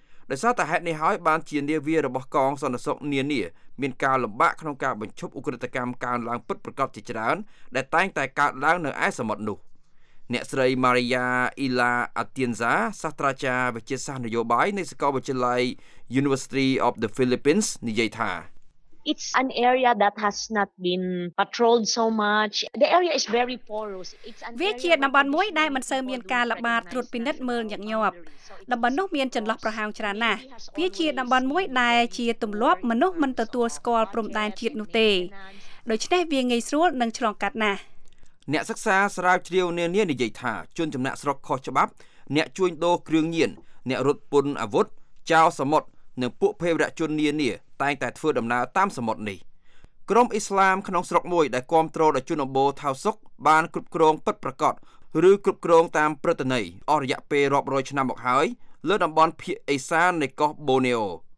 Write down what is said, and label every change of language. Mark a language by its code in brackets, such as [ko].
[km] ដោយសារតែហេតុនេះហើយបានជានាវារបស់កងសន្តិសុខនានាមានការលំបាកក្នុងការបញ្ឈប់ឧក្រិដ្ឋកម្មកើនឡើងពិតប្រាកដជាច្រើនដែលតែងតែកើតឡើងនៅឯសមុទ្រនោះអ្នកស្រីម៉ារីយ៉ាអ៊ីឡាអាទៀនសាសាស្ត្រាចារ្យវិទ្យាសាស្ត្រនយោបាយនៃសាកលវិទ្យាល័យ University of the Philippines និយាយថា [en] It's an area that has not been patrolled so much. The area is very porous. It's an [km] area ជាតំបន់មួយដែលមិនសូវមានការល្បាតត្រួតពិនិត្យមើលញឹកញាប់តំបន់នោះមានចន្លោះប្រហោងច្រើនណាស់វាជាតំបន់មួយដែលជាទំលាប់មនុស្សមិនទទួលស្គាល់ព្រំដែនជាតិនោះទេដូច្នេះវាងាយស្រួលនឹងឆ្លងកាត់ណាស់អ្នកសិក្សាស្រាវជ្រាវនានានិយាយថាជនចំណាក់ស្រុកខុសច្បាប់អ្នកជួញដូរគ្រឿងញៀនអ្នករត់ពន្ធអាវុធចោរសមុទ្រនិងពួកភេរវជននានាតែងតែធ្វើដំណើរតាមសមុទ្រនេះក្រុមអ៊ីស្លាមក្នុងស្រុកមួយដែលគ្រប់គ្រងដោយជនអបោថៅសុកបានគ្រប់គ្រងពិតប្រាកដឬគ្រប់គ្រងតាមព្រឹត្តន័យអស់រយៈពេលរាប់រយឆ្នាំមកហើយលើតំបន់ភាគអេសាននៃកោះបូណេអូ